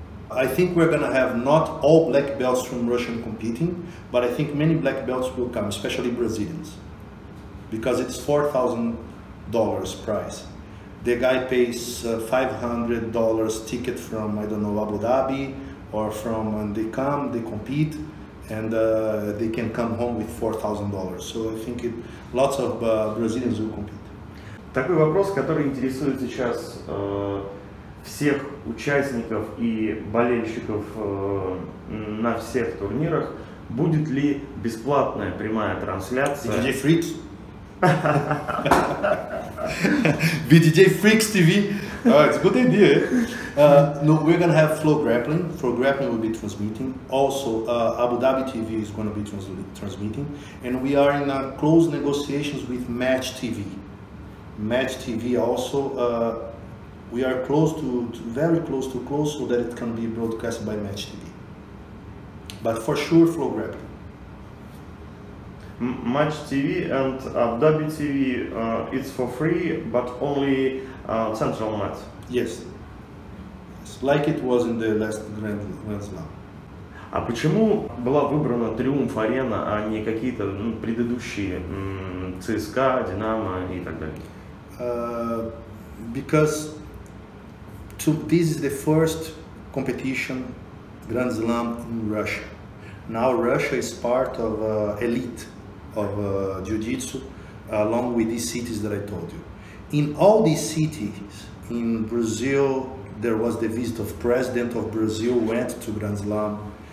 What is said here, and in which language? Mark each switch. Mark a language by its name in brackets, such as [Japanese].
[English] I think we're gonna have not all black belts from Russian competing, but I think many black belts will come, especially Brazilians, because it's $4,000 price. The guy pays $500 ticket from, I don't know, Abu Dhabi, or from when they come, they compete, and they can come home with $4,000. So I think lots of Brazilians will compete. [Russian] Такой вопрос, который интересует сейчас всех участников и болельщиков на всех турнирах, будет ли бесплатная прямая трансляция? [English] DJ Freaks? BDJ Freaks TV. It's a good idea. No, we're gonna have Flow Grappling. Flow Grappling will be transmitting. Also, Abu Dhabi TV is gonna be transmitting. And we are in close negotiations with Match TV. Match TV also. We are close to close so that it can be broadcast by Match TV. But for sure, Flow Grappling. Match TV and Abu Dhabi TV, it's for free, but only Central Match. Yes. It's like it was in the last Grand Slam. [Russian] А почему была выбрана Триумф Арена, а не какие-то предыдущие ЦСКА, Динамо и так далее? [English] Because this is the first competition Grand Slam in Russia. Now Russia is part of elite of jiu-jitsu, along with these cities that I told you. In all these cities, in Brazil, there was the visit of President of Brazil went to Grand Slam.